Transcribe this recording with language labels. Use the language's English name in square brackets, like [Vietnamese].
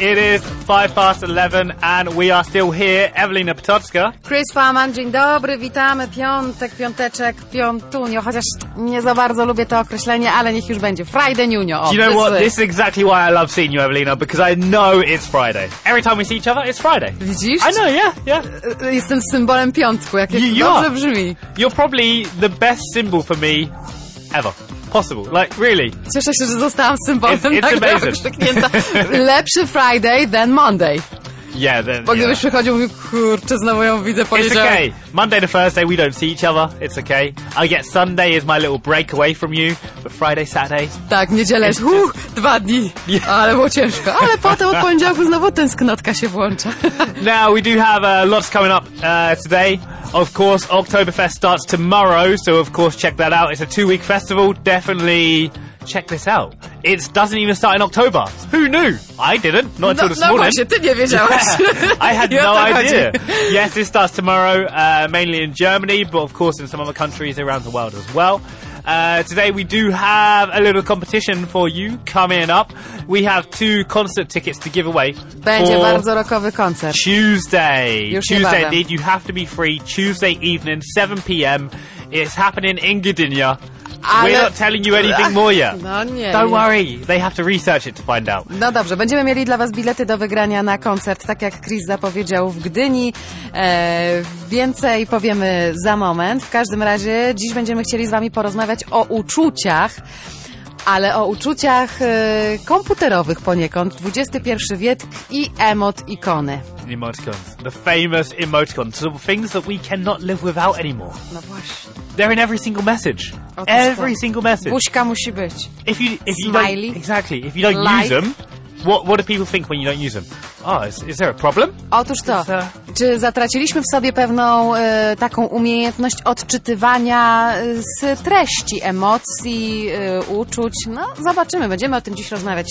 [English] It is 11:05 and we are still here. [Polish] Ewelina Potocka. Chris Farman, dzień dobry, witamy. Piątek, piąteczek, piątunio. Chociaż nie za bardzo lubię to określenie, ale niech już będzie. [English] Friday, niunio. Do you know what? This is exactly why I love seeing you, Ewelina, because I know it's Friday. Every time we see each other, it's Friday. [Polish] Widzisz? [English] I know, yeah. [Polish] Jestem symbolem piątku, jak dobrze brzmi. [English] You're probably the best symbol for me ever. Possible, like really. [Polish] Cieszę się, że zostałam symbolem nagle okrzyknięta. [English] Lepszy Friday than Monday. Yeah, then. [Polish] Bo gdybyś przychodził, mówił, kurczę, znowu ją widzę, powiedział. [English] It's okay. Monday to Thursday, we don't see each other. It's okay. I get Sunday is my little break away from you, but Friday, Saturday. [Polish] Tak, niedzielę. Dwa dni. Yeah. Ale było ciężko. Ale potem od poniedziałku znowu tęsknotka się włącza. [English] Now we do have lots coming up today. Of course, Oktoberfest starts tomorrow, so of course check that out. It's a two-week festival. Definitely check this out. It doesn't even start in October. Who knew? I didn't. Not until this morning. [Polish] No, właśnie, ty nie wiedziałeś. [English] Yeah, I had no idea. Yes, it starts tomorrow, mainly in Germany, but of course in some other countries around the world as well. Today we do have a little competition for you coming up. We have two concert tickets to give away. [Polish] Będzie bardzo rockowy koncert. [English] Tuesday. [Polish] Już [English] Tuesday, [Polish] niebawem. [English] Indeed. You have to be free. Tuesday evening, 7 p.m. It's happening in Gdynia. [Polish] Ale... [English] We're not telling you anything more yet. [Polish] No nie. [English] Don't worry. They have to research it to find out. [Polish] No dobrze. Będziemy mieli dla was bilety do wygrania na koncert, tak jak Chris zapowiedział w Gdyni. Więcej powiemy za moment. W każdym razie dziś będziemy chcieli z wami porozmawiać o uczuciach. Ale o uczuciach komputerowych poniekąd. XXI wiek i emotikony. [English] Emoticons. The famous emoticons. So things that we cannot live without anymore. [Polish] No właśnie. [English] They're in every single message. Every single message. [Polish] Buźka musi być. [English] If you smiley. Exactly. If you don't use them, what do people think when you don't use them? Oh, is there a problem? [Polish] Otóż to. Czy zatraciliśmy w sobie pewną taką umiejętność odczytywania z treści, emocji, uczuć? No, zobaczymy. Będziemy o tym dziś rozmawiać.